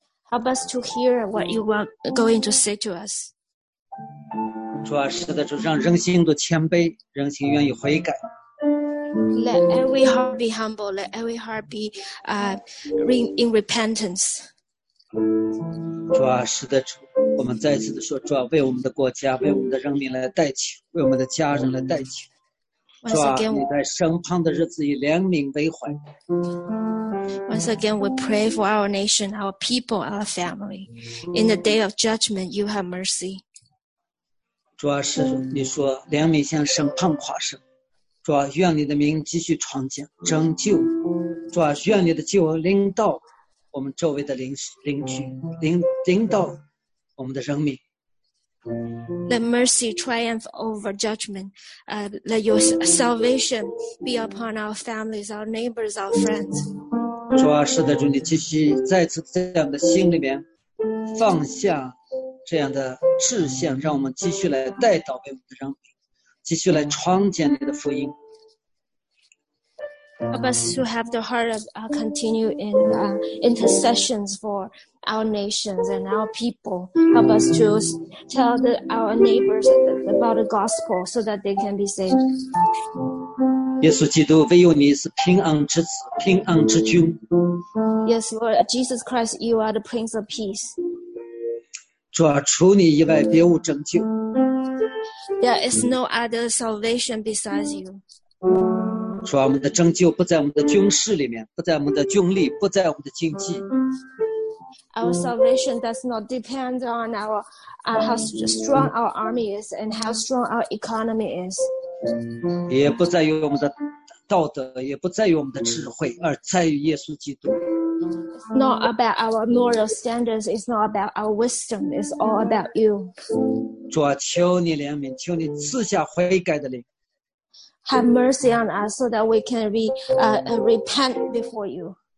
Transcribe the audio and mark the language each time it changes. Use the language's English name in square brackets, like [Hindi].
[English] Help us to hear what you want going to say to us. [Chinese] 主啊，是的，主，让人心都谦卑，人心愿意悔改。 [English] Let every heart be humble. Let every heart be in repentance. [Chinese] 主啊，是的，主，我们再次的说，主啊，为我们的国家，为我们的人民来代求，为我们的家人来代求。主啊，你在审判的日子以怜悯为怀。 [English] Once again, we pray for our nation, our people, our family. In the day of judgment, you have mercy. [Chinese] 主啊，是你说怜悯像审判夸胜。主啊，愿你的名继续传讲拯救。主啊，愿你的救临到我们周围的邻居，临到我们的人民。 [English] Let mercy triumph over judgment. Let your salvation be upon our families, our neighbors, our friends. [Chinese] 主啊，是的，主，你继续再次在我们的心里面放下这样的志向，让我们继续来带祷告我们的人民，继续来传讲你的福音。 [English] Help us to have the heart of continue in intercessions for our nations and our people. Help us to tell our neighbors about the gospel so that they can be saved. [Chinese] 耶稣基督，唯有你是平安之子，平安之君。 [English] Yes, Lord Jesus Christ, you are the Prince of Peace. [Chinese] 主啊，除你以外，别无拯救。 [English] There is no other salvation besides you. [Chinese] 主啊，我们的拯救不在我们的军事里面，不在我们的军力，不在我们的经济。 [English] Our salvation does not depend on how strong our army is and how strong our economy is. [Chinese] 也不在于我们的道德，也不在于我们的智慧，而在于耶稣基督。 [English] It's not about our moral standards. It's not about our wisdom. It's all about you. [Chinese] 主啊，求你怜悯，求你赐下悔改的灵。 [English] Have mercy on us so that we can repent before you.